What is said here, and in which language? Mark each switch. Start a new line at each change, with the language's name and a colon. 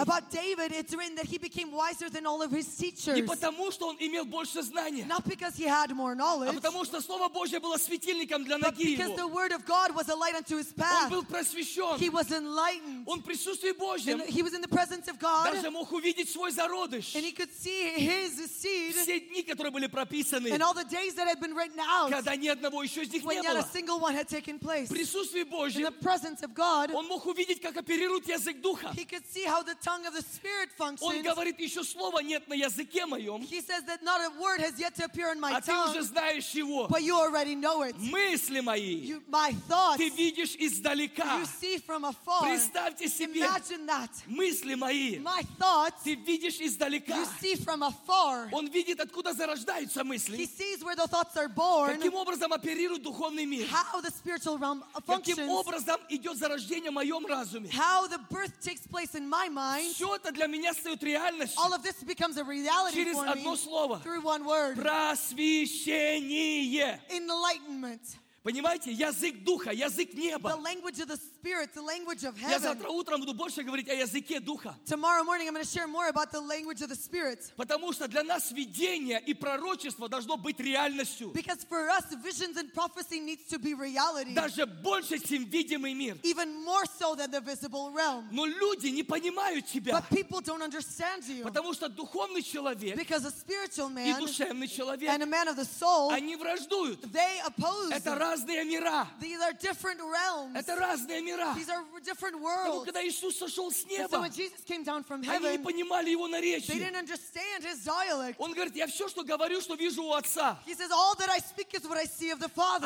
English: About David, it's written that he became wiser than all of his teachers.
Russian: Не потому, что он имел больше знания.
English: Not because he had more knowledge.
Russian: А потому, что слово Божье было светильником для ноги его.
English: But because the word of God was a light unto his path.
Russian: Он был просвещен.
English: He was enlightened.
Russian: Он в присутствии Божьем.
English: He was in the presence of God.
Russian: Даже мог увидеть свой зародыш.
English: And he could see his seed.
Russian: Все дни, которые были прописаны.
English: And all the days that had been written out,
Russian: когда ни одного еще из них не было,
English: when not a single one had taken place,
Russian: в присутствии Божьем,
English: in the presence of God,
Russian: он мог увидеть, как оперирует язык Духа.
English: He could see how the tongue of the Spirit functions.
Russian: Он говорит, еще слова нет на языке моем.
English: He says that not a word has yet to appear in my
Russian: а
English: tongue.
Russian: А ты уже знаешь его.
English: But you already know it.
Russian: Мысли мои.
English: You, my thoughts.
Russian: Ты видишь издалека.
English: You see from afar.
Russian: Представьте себе.
English: Imagine that.
Russian: Мысли мои.
English: My thoughts.
Russian: Ты видишь издалека.
English: You see from afar.
Russian: Он видит, откуда зарождаются мысли.
English: He sees where the thoughts are born.
Russian: Каким образом оперирует духовный мир?
English: How the spiritual realm functions.
Russian: Каким образом идет зарождение в моем разуме?
English: How the birth takes place in my mind.
Russian: Все это для меня стает реальностью.
English: All of this becomes a reality
Russian: через
English: for
Russian: одно
English: me
Russian: слово.
English: Through one word.
Russian: Просвещение.
English: Enlightenment.
Russian: Понимаете, язык духа, язык неба.
English: The language of the spirit, the language of heaven.
Russian: Я завтра утром буду больше говорить о языке духа.
English: Tomorrow morning I'm going to share more about the language of the spirit.
Russian: Потому что для нас видение и пророчество должно быть реальностью.
English: Because for us visions and prophecy needs to be reality.
Russian: Даже больше, чем видимый мир.
English: Even more so than the visible realm.
Russian: Но люди не понимают тебя.
English: But people don't understand you.
Russian: Потому что духовный человек.
English: Because a spiritual man.
Russian: И душевный человек.
English: And a man of the soul.
Russian: Они враждуют.
English: They oppose.
Russian: Это разные мира.
English: These are different realms.
Russian: Это разные мира.
English: These are different worlds.
Russian: Потому когда Иисус сошел с неба,
English: so when Jesus came down from heaven,
Russian: они не понимали его наречия.
English: They didn't understand his dialect.
Russian: Он говорит, я все, что говорю, что вижу у Отца.
English: He says, all that I speak is what I see of the Father.